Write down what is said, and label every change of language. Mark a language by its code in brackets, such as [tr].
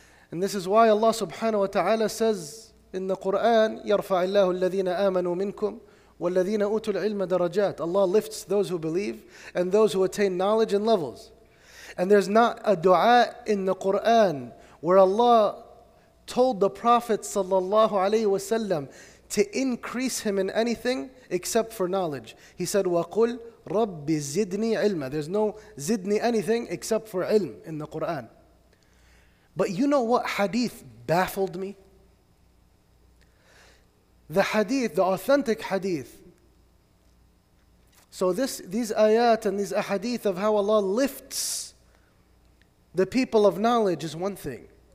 [en] And this is why Allah subhanahu wa ta'ala says in the Quran, [ar] يَرْفَعِ اللَّهُ الَّذِينَ آمَنُوا مِنْكُمْ وَالَّذِينَ أُوتُوا الْعِلْمَ دَرَجَاتِ. [en] Allah lifts those who believe and those who attain knowledge and levels. And there's not a dua in the Quran where Allah told the Prophet sallallahu alayhi wasallam to increase him in anything except for knowledge. He said, [ar] وَقُلْ رَبِّ زِدْنِي عِلْمًا. [en] There's no zidni anything except for ilm in the Quran. But you know what hadith baffled me? The hadith, the authentic hadith. So these ayat and these ahadith of how Allah lifts the people of knowledge is one thing.